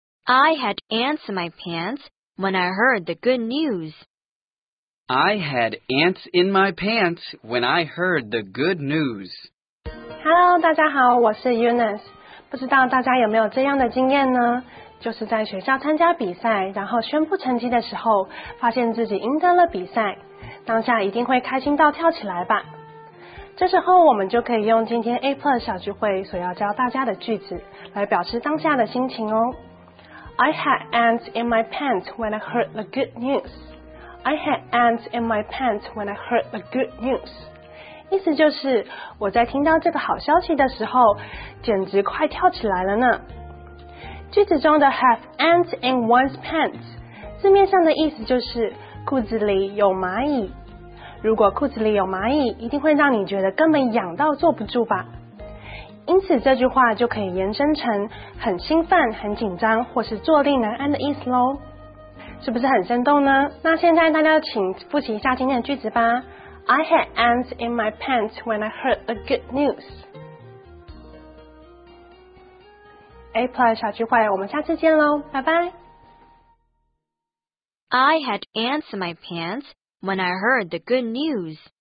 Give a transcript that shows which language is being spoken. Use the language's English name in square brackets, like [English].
[English] I had ants in my pants when I heard the good news. I had ants in my pants when I heard the good news. [Chinese] Hello, 大家好，我是 Eunice。不知道大家有没有这样的经验呢？就是在学校参加比赛，然后宣布成绩的时候，发现自己赢得了比赛，当下一定会开心到跳起来吧。这时候我们就可以用今天 A Plus 小聚会所要教大家的句子来表示当下的心情哦。 [English] I had ants in my pants when I heard the good news. I had ants in my pants when I heard the good news. [Chinese] 意思就是我在听到这个好消息的时候简直快跳起来了呢。句子中的 [English] have ants in one's pants [Chinese] 字面上的意思就是裤子里有蚂蚁。如果裤子里有蚂蚁一定会让你觉得根本痒到坐不住吧。因此这句话就可以延伸成很兴奋很紧张或是坐立难安的意思咯。是不是很生动呢？那现在大家请复习一下今天的句子吧。 [English] I had ants in my pants when I heard the good news. [Chinese] A Plus 小聚会，我们下次见喽，拜拜。 [English] I had ants in my pants when I heard the good news.